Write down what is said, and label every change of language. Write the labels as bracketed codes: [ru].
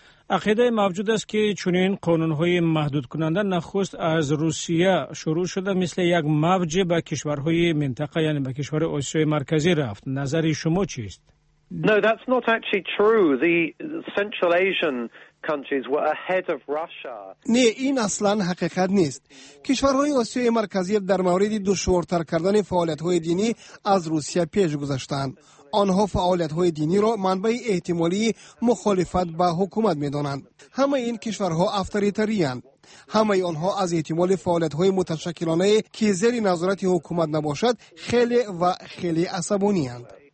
[fa] عقیده موجود است که چنین قانون‌های محدودکننده نخست از روسیه شروع شده، مثل یک موج به کشورهای منطقه، یعنی به کشور آسیای مرکزی رفت. نظر شما چیست؟ [en] No, that's not actually true. The Central Asian countries were ahead of Russia. [fa] نه، این اصلا حقیقت نیست. کشورهای آسیای مرکزی در مورد دشوارتر کردن فعالیت‌های دینی از روسیه پیش گذاشتند. آنها فعالیت های دینی را منبع احتمالی مخالفت با حکومت می دانند. همه این کشورها افتری تریان. همه آنها از احتمال فعالیت های متشکلانه که زیر نظارت حکومت نباشد خیلی و خیلی عصبانی هند.